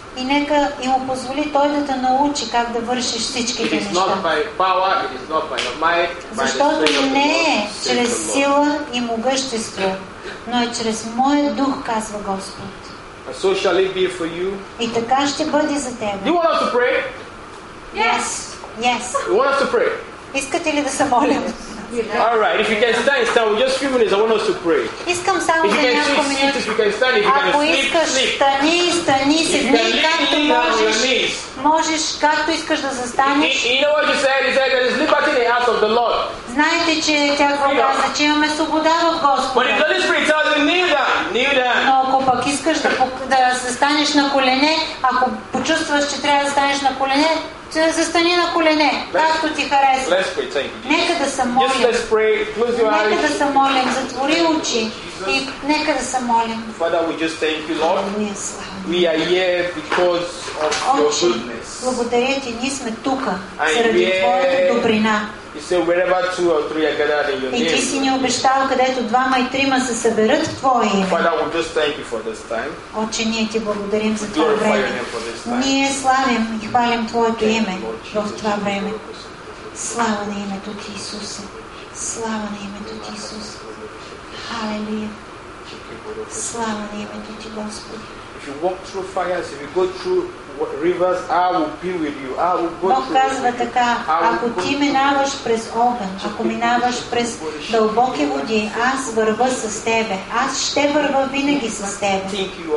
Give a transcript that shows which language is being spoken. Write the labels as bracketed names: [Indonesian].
[Bulgarian] И нека и му позволи Той да те научи как да вършиш всичките неща. [English] It is not by power, it is not by your might, [Bulgarian] защото не е чрез сила и могъщество, но е чрез Моя Дух, казва Господ. [English] So shall it be for you. [Bulgarian] И така ще бъде за теб. [English] You want us to pray? Yes. Yes. You want us to pray? [Bulgarian] Искате ли да се молим? [English] All right, if you can stand, we just few minutes, I want us to pray. [Bulgarian] Искам само за няколко минути. If you can stand, if you can sleep. Стани, седни, както можеш. Можеш, както искаш да застанеш. [English] You know what you said? You said, there is liberty in the house of the Lord. [Bulgarian] Знаете, че тя каза, че имаме свобода в Господа. [English] But if the Holy Spirit tells you, kneel down, kneel down. [Bulgarian] Но ако пък искаш да застанеш на колене, ако почувстваш, че трябва да станеш на колене, ще застани на колене, както ти харесва. [English] Let's pray, thank you, Jesus. [Bulgarian] Нека да се молим. [English] Yes, let's pray. Close your [Bulgarian] нека [English] eyes. [Bulgarian] Да се молим. Затвори очи и нека да се молим. [English] Father, we just thank you, Lord. We are here because of [Bulgarian] Отче, [English] your goodness. [Bulgarian] Благодаря ти, ние сме тука заради твоята добрина. [English] You say wherever two or three are gathered in your name. [Bulgarian] И ти си ни обещал, където двама и трима се съберат в Твое име. [English] Father, we just thank you for this time. [Bulgarian] Отче, ние ти благодарим за това време. Ние славим и хвалим Твоето име в това време. Слава на името ти, Исусе. Слава на името ти, Исусе. Халелуя. Слава на името ти, Господи. [English] If you walk through fires, if you go through rivers, I will be with you. I will go [Bulgarian] Бог казва така, ако ти минаваш през огън, ако минаваш през дълбоки води, аз вървя с тебе. Аз ще вървя винаги с тебе.